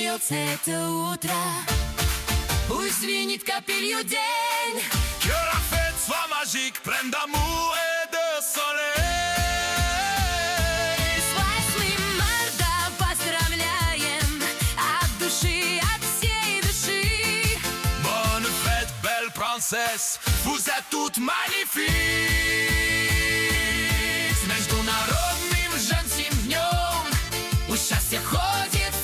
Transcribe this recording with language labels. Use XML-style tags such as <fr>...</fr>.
<ru>Это утро, пусть звенит капелью день.</ru> <fr>Que la fête soit magique, pleine d'amour et de soleil.</fr> <ru>С 8 марта поздравляем от души, от всей души.</ru> <fr>Bonne fête, belle princesse, vous êtes toutes magnifiques.</fr> <ru>С международным женским днем пусть счастье ходит.</ru>